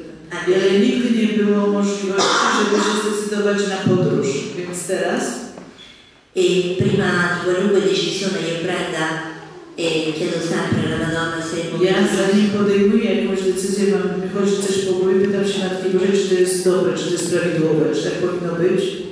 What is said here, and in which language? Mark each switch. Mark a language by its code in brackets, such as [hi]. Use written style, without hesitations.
[pl] Ale nigdy nie było możliwości, żeby się zdecydować na podróż, więc teraz... [it] E prima di qualunque decisione io prenda e chiedo sempre alla Madonna se... [pl] Ja zanim podejmuję jakąś decyzję, mam wychodzić coś po głowie, pytam się na tej grze, czy to jest dobre, czy to jest prawidłowe, czy tak powinno być?